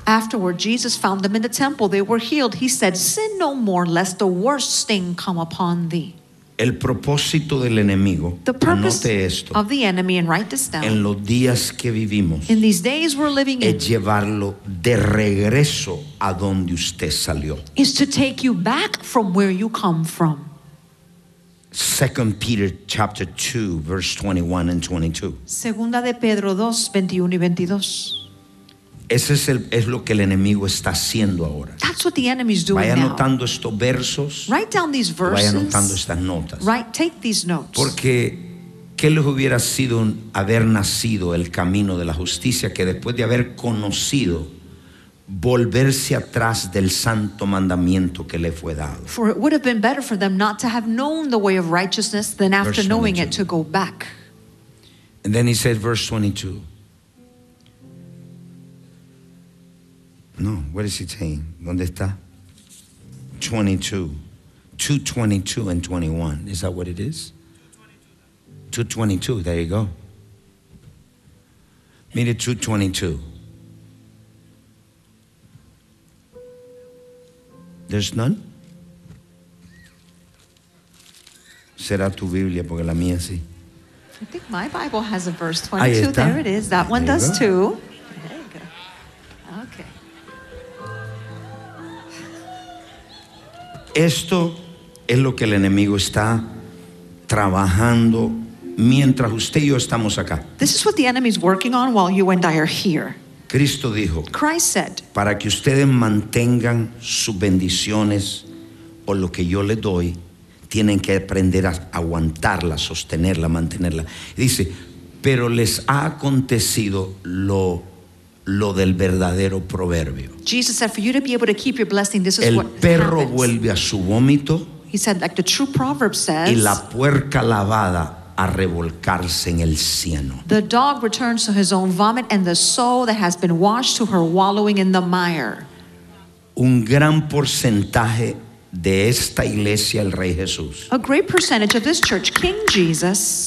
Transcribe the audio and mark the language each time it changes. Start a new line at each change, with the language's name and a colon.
English: Afterward, Jesus found them in the temple. They were healed. He said, sin no more, lest the worst thing come upon thee.
Spanish: El propósito del enemigo,
English: the purpose
Spanish: anote esto,
English: of the enemy, and write this down,
Spanish: en los días que vivimos,
English: in these days we're living
Spanish: es llevarlo de regreso a donde usted salió,
English: is to take you back from where you come from. 2 Peter chapter 2 verse 21 and 22.
Spanish: Segunda de Pedro 2, 21 y 22. Ese es lo que el enemigo está haciendo ahora.
English: That's what the enemy is doing.
Spanish: Vaya anotando estos versos.
English: Write down these verses.
Spanish: Vaya anotando estas notas.
English: Write, take these notes.
Spanish: Porque ¿qué les hubiera sido haber nacido el camino de la justicia que después de haber conocido volverse atrás del santo mandamiento que le fue dado?
English: For it would have been better for them not to have known the way of righteousness than after knowing it to go back. And then he said, verse 22. No, what is he saying?
Spanish: ¿Dónde está?
English: 22. 2:22 and 21. Is that what it is? 222, there you go.
Spanish: Mire 222.
English: There's none?
Spanish: Será tu Biblia, porque la mía sí.
English: I think my Bible has a verse 22.
Spanish: Ahí está.
English: There it is. That one does too. There you go. Okay.
Spanish: Esto es lo que el enemigo está trabajando mientras usted y yo estamos acá.
English: This is what the enemy is working on while you and I are here.
Spanish: Cristo dijo,
English: Christ said,
Spanish: para que ustedes mantengan sus bendiciones o lo que yo les doy, tienen que aprender a aguantarla, sostenerla, mantenerla. Dice, pero les ha acontecido lo del verdadero proverbio.
English: Jesus said, for you to be able to keep your blessing, this is
Spanish: el
English: what happens.
Spanish: El perro vuelve a su vómito.
English: He said, like the true proverb says,
Spanish: y la puerca lavada a revolcarse en el cieno.
English: The dog returns to his own vomit, and the sow that has been washed to her wallowing in the mire.
Spanish: Un gran porcentaje de esta iglesia, el Rey Jesús.
English: A great percentage of this church, King Jesus.